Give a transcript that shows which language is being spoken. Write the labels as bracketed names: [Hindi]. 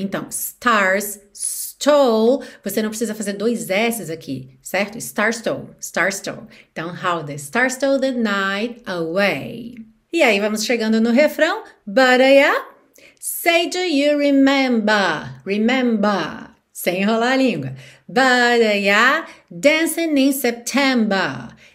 [Portuguese] Então, stars stole, você não precisa fazer dois S's aqui, certo? [English] Stars stole. Então, how the stars stole the night away. [Portuguese] E aí, vamos chegando no refrão, [English] but yeah. Say, do you remember? [Portuguese] Sem enrolar a língua. [English] But yeah, dancing in September.